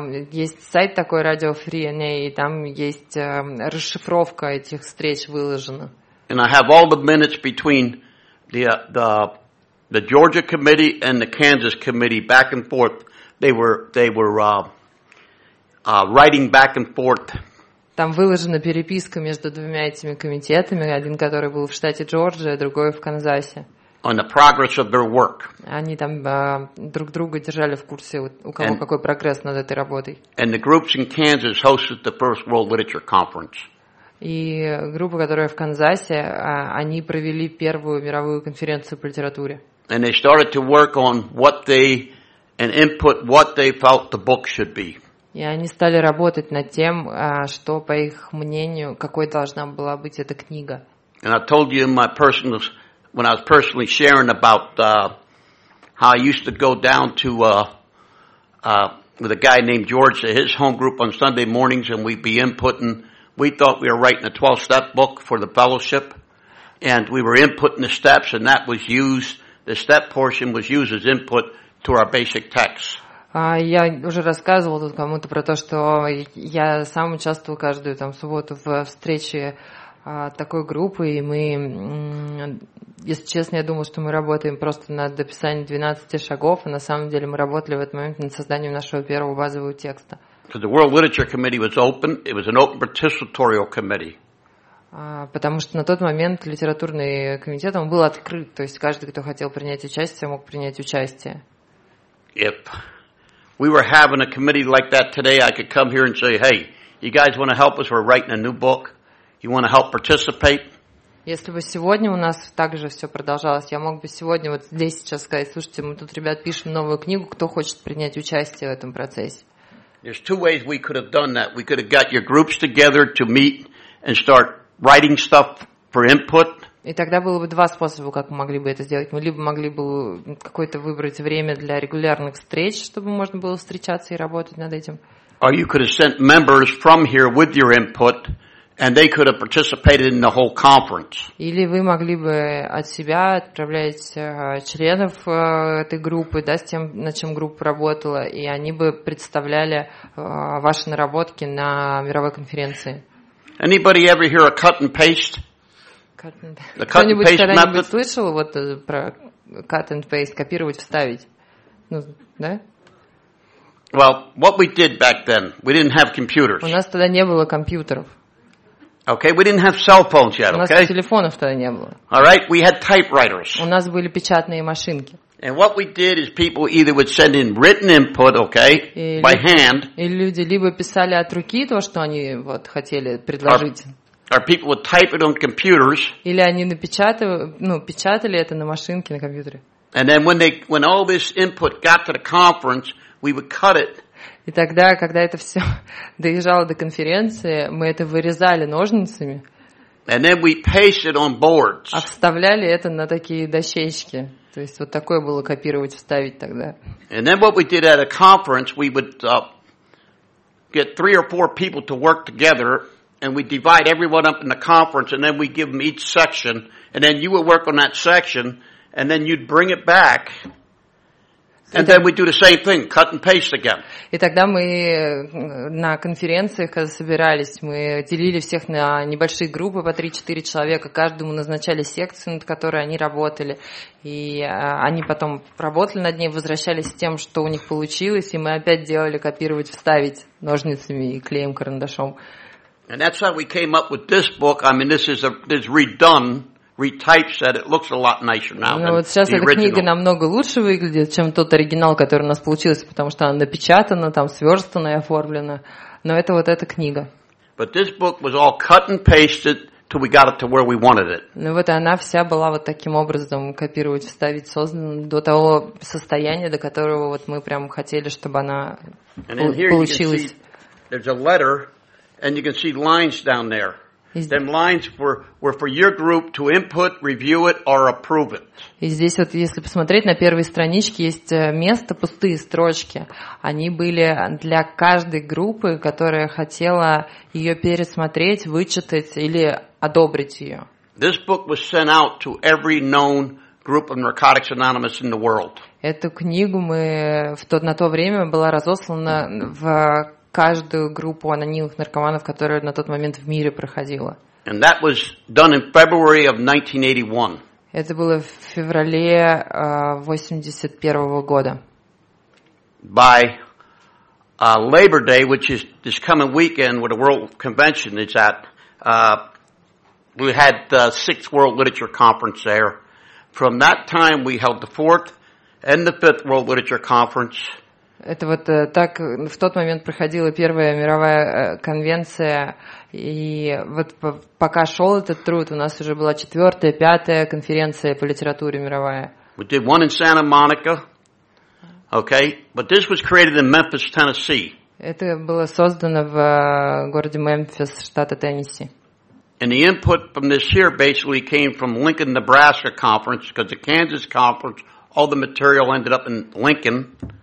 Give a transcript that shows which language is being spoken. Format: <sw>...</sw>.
<ru>Есть сайт такой Radio Free NA, и там есть расшифровка этих встреч выложена.</ru> <en>And I have all the minutes between the Georgia committee and the Kansas committee back and forth. They were writing back and forth.</en> <ru>Там выложена переписка между двумя этими комитетами, один который был в штате Джорджия, другой в Канзасе.</ru> <en>On the progress of their work.</en> <ru>Они там друг друга держали в курсе, у кого какой прогресс над этой работой.</ru> <en>And the groups in Kansas hosted the first World Literature Conference.</en> <ru>И группа, которая в Канзасе, они провели первую мировую конференцию по литературе.</ru> <en>And they started to work on what they and input what they felt the book should be.</en> <ru>И они стали работать над тем, что, по их мнению, какой должна была быть эта книга.</ru> <en>And I told you in my personal, when I was personally sharing about how I used to go down to with a guy named George at his home group on Sunday mornings, and we'd be inputting, we thought we were writing a 12-step book for the fellowship, and we were inputting the steps, and that was used, the step portion was used as input to our basic text.</en> <ru>Я уже рассказывал тут кому-то про то, что я сам участвовал каждую там субботу в встрече такой группы, и мы, если честно, я думал, что мы работаем просто над описанием 12 шагов, а на самом деле мы работали в этот момент над созданием нашего первого базового текста.</ru> <en>The World Literature Committee was open. It was an open participatorial committee.</en> <ru>Потому что на тот момент литературный комитет он был открыт, то есть каждый, кто хотел принять участие, мог принять участие.</ru> <en>If we were having a committee like that today, I could come here and say, hey, you guys want to help us? We're writing a new book. You want to help participate?</en> <ru>Если бы сегодня у нас так же все продолжалось, я мог бы сегодня вот здесь сейчас сказать, слушайте, мы тут, ребят, пишем новую книгу, кто хочет принять участие в этом процессе?</ru> <en>There's two ways we could have done that. We could have got your groups together to meet and start writing stuff for input.</en> <ru>И тогда было бы два способа, как мы могли бы это сделать. Мы либо могли бы какое-то выбрать время для регулярных встреч, чтобы можно было встречаться и работать над этим.</ru> <en>Or you could have sent members from here with your input, and they could have participated in the whole conference.</en> <ru>Или вы могли бы от себя отправлять членов этой группы, да, с тем, над чем группа работала, и они бы представляли ваши наработки на мировой конференции.</ru> <en>Anybody ever hear a cut and paste?</en> <ru>Кто-нибудь когда-нибудь слышал вот про</ru> <en>cut and paste,</en> <ru>копировать, вставить? Ну, да?</ru> <en>Well, what we did back then, we didn't have computers.</en> <ru>У нас тогда не было компьютеров.</ru> <en>Okay, we didn't have cell phones yet, okay?</en> <ru>У нас телефонов тогда не было.</ru> <en>All right, we had typewriters.</en> <ru>У нас были печатные машинки.</ru> <en>And what we did is people either would send in written input, okay, by hand.</en> <ru>И люди либо писали от руки то, что они вот хотели предложить.</ru> <en>Or people would type it on computers.</en> <ru>Или они печатали это на машинке, на компьютере.</ru> <en>And then when all this input got to the conference, we would cut it.</en> <ru>И тогда, когда это все доезжало до конференции, мы это вырезали ножницами.</ru> <en>And then we paste it on boards.</en> <ru>А вставляли это на такие дощечки. То есть вот такое было копировать, вставить тогда.</ru> <en>And then what we did at a conference, we would get three or four people to work together, and we divide everyone up in the conference, and then we give them each section, and then you would work on that section, and then you'd bring it back. And then we do the same thing, cut and paste again.</en> <ru>И тогда мы на конференциях, когда собирались, мы делили всех на небольшие группы по 3-4 человека, каждому назначали секцию, над которой они работали, и они потом работали над ней, возвращались с тем, что у них получилось, и мы опять делали копировать, вставить ножницами и клеем карандашом.</ru> <en>And that's how we came up with this book. I mean, this is redone. Retyped, it looks a lot nicer now.</en> <ru>Ну вот сейчас эта книга намного лучше выглядит, чем тот оригинал, который у нас получился, потому что она напечатана, там сверстана и оформлена. Но это вот эта книга.</ru> <en>But this book was all cut and pasted till we got it to where we wanted it.</en> <ru>Ну вот она вся была вот таким образом копировать, вставить, создана до того состояния, до которого вот мы прям хотели, чтобы она получилась.</ru> <en>And here you can see there's a letter, and you can see lines down there. Them lines were for your group to input, review it, or approve it.</en> <ru>И здесь вот, если посмотреть на первой страничке, есть место, пустые строчки. Они были для каждой группы, которая хотела ее пересмотреть, вычитать или одобрить ее.</ru> <en>This book was sent out to every known group of Narcotics Anonymous in the world.</en> <ru>Эту книгу мы на то время была разослана в каждую группу анонимных наркоманов, которая на тот момент в мире проходила.</ru> <en>And that was done in February of 1981.</en> <ru>Это было в феврале 81 года.</ru> <en>By Labor Day, which is this coming weekend, where the World Convention is at, we had the 6th World Literature Conference there. From that time, we held the 4th and the 5th World Literature Conference.</en> <ru>Это вот так в тот момент проходила первая мировая конвенция, и вот пока шел этот труд, у нас уже была четвертая, пятая конференция по литературе мировая.</ru> <en>We did one in Santa Monica, okay, but this was created in Memphis, Tennessee.</en> <ru>Это было создано в городе Мемфис, штата Теннесси.</ru> <en>And the input from this here basically came from Lincoln, Nebraska conference, because the Kansas conference, all the material ended up in Lincoln.</en>